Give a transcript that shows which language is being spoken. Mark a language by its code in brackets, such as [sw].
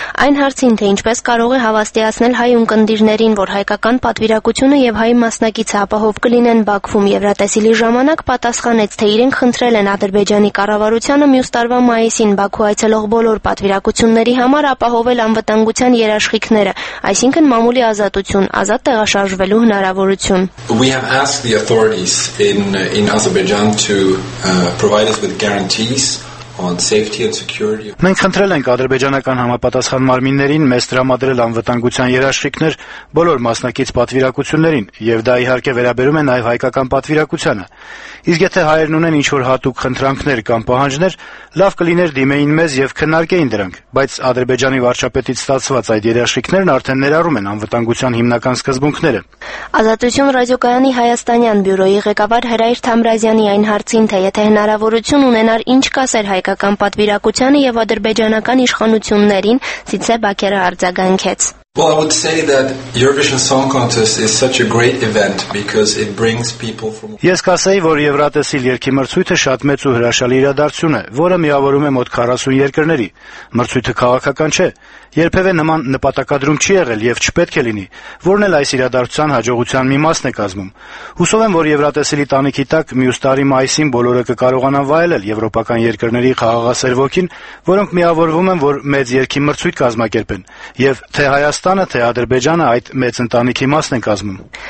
[hy] այն հարցին, թե ինչպես կարող է հավաստիացնել հայ ունկնդիրներին, որ հայկական պատվիրակությունը եւ հայ մասնակիցը ապահով կլինեն Բաքվում Եվրատեսիլի ժամանակ, պատասխանեց, թե իրենք խնդրել են Ադրբեջանի կառավարությանը մյուս տարվա մայիսին Բաքու այցելող բոլոր պատվիրակությունների համար ապահովել անվտանգության երաշխիքները, այսինքն մամուլի ազատություն, ազատ տեղաշարժվելու հնարավորություն։ [en] We have asked the authorities in Azerbaijan to provide us with guarantees on safety and security. [hy] Մենք խնդրել ենք ադրբեջանական համապատասխան մարմիններին մեզ տրամադրել անվտանգության երաշխիքներ բոլոր մասնակից պատվիրակություններին, եւ դա իհարկե վերաբերում է նաեւ հայկական պատվիրակությանը։ Իսկ եթե հայերն ունեն ինչ-որ հատուկ խնդրանքներ կամ պահանջներ, լավ կլիներ դիմեին մեզ եւ քննարկեին դրանք, բայց ադրբեջանի վարչապետից ստացված այդ երաշխիքներն արդեն ներառում են անվտանգության հիմնական սկզբունքները։ Ազատություն ռադիոկայանի Հայաստանյան բյուրոյի ղեկավար Հրայր Թամրազյանի այն հարցին, թե եթե հնարավորություն ունենար ինչ կասեր հայկական պատվիրակությանը եւ ադրբեջանական իշխանություններին, Սիցե Բաքերը արձագանքեց. [en] Well, I would say that Eurovision Song Contest is such a great event because it brings people from [hy] Ես կասեի, որ Եվրատեսիլ երկի մրցույթը շատ մեծ ու հրաշալի իրադարձություն է, որը միավորում է մոտ 40 երկրների։ Մրցույթը քաղաքական չէ, երբևէ նման նպատակադրում չի եղել եւ չպետք է լինի, որն էլ այս իրադարձության հաջողության մի մասն է կազմում։ Հուսով եմ, որ Եվրատեսիլի տանիքի տակ մյուս տարի մայիսին բոլորը կկարողանան վայելել եվրոպական երկրների խաղաղասեր ոգին, որոնք միավորվում են, որ մեծ երկի մրցույթ կազմակերպեն, եւ թե Հայաստանը, թե Ադրբեջանը այդ մեծ ընտանիքի մասն են կազմում։